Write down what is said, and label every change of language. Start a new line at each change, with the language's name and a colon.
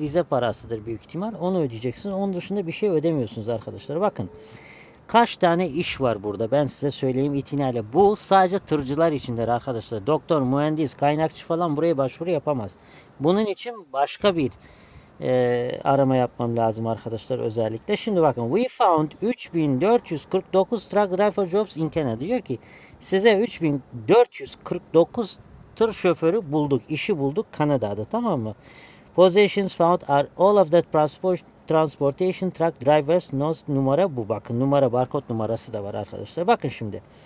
Turkish: Vize parasıdır büyük ihtimal. Onu ödeyeceksiniz. Onun dışında bir şey ödemiyorsunuz arkadaşlar. Bakın, kaç tane iş var burada? Ben size söyleyeyim itinayla. Bu sadece tırcılar içindir arkadaşlar. Doktor, mühendis, kaynakçı falan buraya başvuru yapamaz. Bunun için başka bir arama yapmam lazım arkadaşlar özellikle. Şimdi bakın,
English: we found 3449 truck driver jobs in Canada.
Turkish: Diyor ki size 3449 tır şoförü bulduk, işi bulduk Kanada'da, tamam mı?
English: Positions found are all of that transportation truck drivers knows
Turkish: numara, bu bakın numara, barkod numarası da var arkadaşlar. Bakın şimdi.